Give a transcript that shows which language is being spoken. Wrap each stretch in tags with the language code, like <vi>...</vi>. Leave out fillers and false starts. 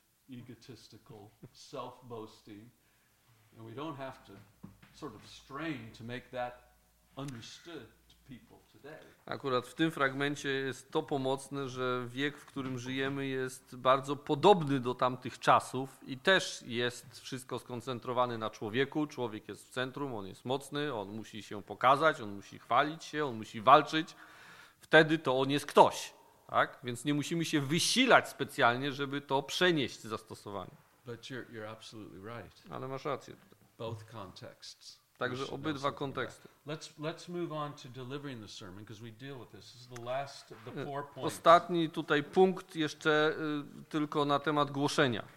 <en>Egotistical, self-boasting, and we don't have to sort of strain to make that understood to people today.</en> <pl>Akurat w tym fragmencie jest to pomocne, że wiek, w którym żyjemy, jest bardzo podobny do tamtych czasów i też jest wszystko skoncentrowane na człowieku. Człowiek jest w centrum, on jest mocny, on musi się pokazać, on musi chwalić się, on musi walczyć. Wtedy to on jest ktoś. Tak? Więc nie musimy się wysilać specjalnie, żeby to przenieść zastosowanie.</pl> <en>But you're absolutely right.</en> <pl>Ale masz rację.</pl> <en>Both contexts.</en> <pl>Także obydwa konteksty.</pl> <en>Let's move on to delivering the sermon, because we deal with this. This is the last of the four points.</en> <pl>Ostatni tutaj punkt jeszcze tylko na temat głoszenia.</pl>